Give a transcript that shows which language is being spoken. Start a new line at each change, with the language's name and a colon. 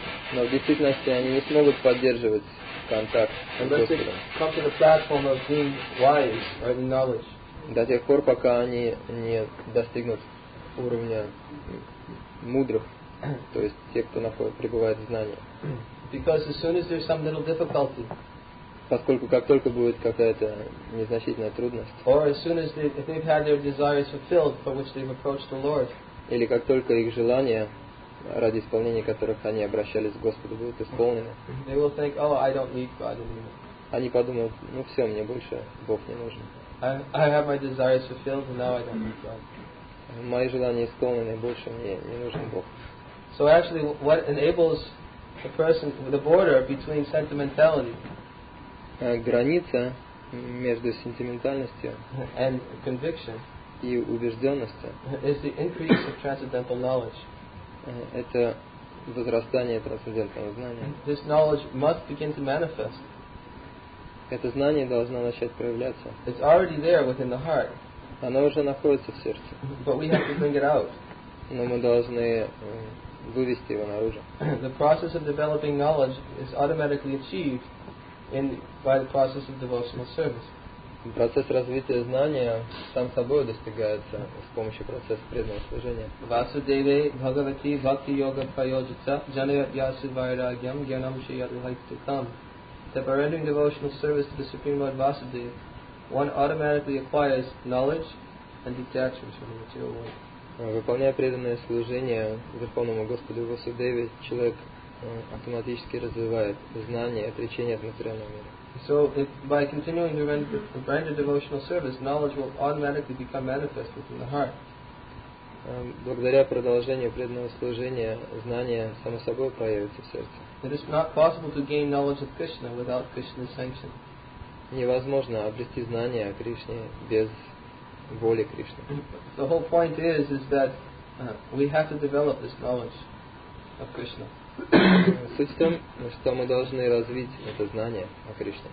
Russian: Но в действительности они не смогут поддерживать контакт с Господом.
English: Unless they come to the platform of being wise or in knowledge.
Russian: до тех пор, пока они не достигнут уровня мудрых, то есть те, кто пребывает в знании.
English: Because as soon as there's some little difficulty,
Russian: поскольку как только будет какая-то незначительная трудность,
English: or as soon as they've had their desires fulfilled for which they've approached the Lord,
Russian: или как только их желания, ради исполнения которых они обращались к Господу, будут исполнены,
English: they will think, oh, I don't need God anymore.
Russian: Они подумают, ну все, мне больше Бог не нужен.
English: I have my desires fulfilled, and now I don't need God.
Russian: Мои желания исполнены, больше мне не нужен Бог.
English: So actually, what enables the person, the border between sentimentality,
Russian: граница между сентиментальностью
English: and conviction,
Russian: и убежденностью,
English: is the increase of transcendental knowledge.
Russian: Это возрастание трансцендентного знания.
English: This knowledge must begin to manifest.
Russian: Это знание должно начать проявляться.
English: It's already there within the heart.
Russian: Оно уже находится в сердце.
English: But we have to bring it out.
Russian: Но мы должны вывести его наружу.
English: The process of developing knowledge is automatically achieved by the process of devotional service.
Russian: Процесс развития знания сам собой достигается с помощью процесса преданного служения.
Sanskrit: Васудеве бхагавати бхакти йога прайоджица джанайат ясу вайрагьям гьянам шиятлхайтитам.
English: That by rendering devotional service to the Supreme Lord Vasudeva, one automatically acquires knowledge and detachment from the material world.
Russian: Выполняя преданное служение Верховному Господу Васудеве, человек автоматически развивает знание и отречение от материального мира.
English: So, if by continuing to render devotional service, knowledge will automatically become manifest within the heart.
Russian: Благодаря продолжению преданного служения, знание само собой проявится в сердце.
English: It is not possible to gain knowledge of Krishna without Krishna's sanction.
Russian: Невозможно обрести знание о Кришне без воли Кришны.
English: The whole point is that we have to develop this knowledge of Krishna.
Russian: Суть в том, что мы должны развить это знание о Кришне.